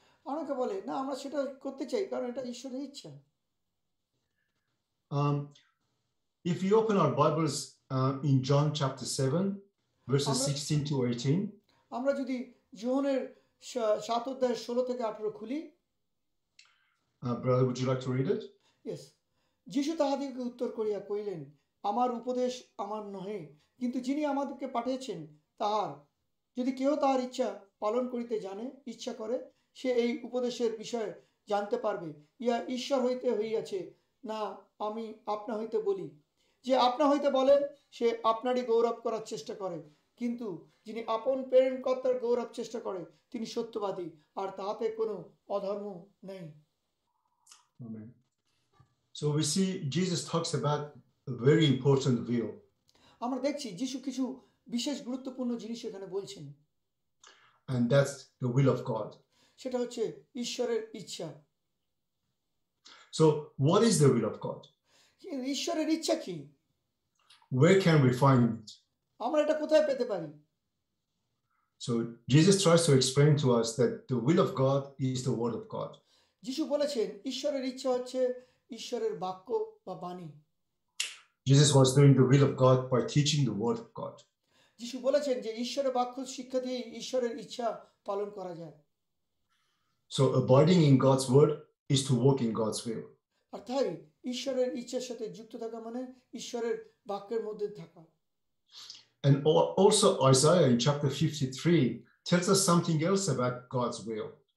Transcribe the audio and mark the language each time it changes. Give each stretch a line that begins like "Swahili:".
Bangla: অনেকে বলে না আমরা সেটা করতে চাই কারণ এটা ঈশ্বরের ইচ্ছা.
English: If you open our Bibles in John chapter 7, verses 16 to 18,
Bangla: আমরা যদি যোহনের 7 অধ্যায় 16 থেকে 18 খুলি.
English: Brother, would you like to read it? Yes.
Bangla: যিশু তাহাদিগকে উত্তর করিয়া কইলেন, আমার উপদেশ আমার নহে, কিন্তু যিনি আমাদেরকে পাঠিয়েছেন তাহার, যদি কেউ তাহার ইচ্ছা পালন করিতে জানে, ইচ্ছা করে, সে এই উপদেশের বিষয়ে জানতে পারবে, ইয়া ঈশ্বর হইতে হইয়াছে, না আমি আপনা হইতে বলি। যে আপনা হইতে বলেন সে আপনারই গৌরব করার চেষ্টা করে, কিন্তু যিনি আপন প্রেরণ কর্তার গৌরব চেষ্টা করে তিনি সত্যবাদী, আর তাহাতে কোনো অধর্ম নেই।
English: Amen. So we see Jesus talks about a very important view.
Bangla: আমরা দেখছি যিশু কিছু বিশেষ গুরুত্বপূর্ণ জিনিস এখানে বলছেন.
English: And that's the will of God.
Bangla: সেটা হচ্ছে ঈশ্বরের ইচ্ছা.
English: So what is the will of God?
Bangla: ঈশ্বরের ইচ্ছা কি?
English: Where can we find it?
Bangla: আমরা এটা কোথায় পেতে পারি?
English: So Jesus tries to explain to us that the will of God is the word of God.
Bangla: যিশু বলেছেন ঈশ্বরের ইচ্ছা হচ্ছে ঈশ্বরের বাক্য বা বাণী.
English: Jesus was doing the will of God by teaching the word of God.
Bangla: যিশু বলেছেন যে ঈশ্বরের বাক্য শিক্ষা দিয়ে ঈশ্বরের ইচ্ছা পালন করা যায়।
English: So abiding in God's word is to walk in God's will.
Bangla: অর্থাৎ ঈশ্বরের ইচ্ছার সাথে যুক্ত থাকা মানে ঈশ্বরের বাক্যের মধ্যে থাকা।
English: And also Isaiah in chapter 53 tells us something else about God's will.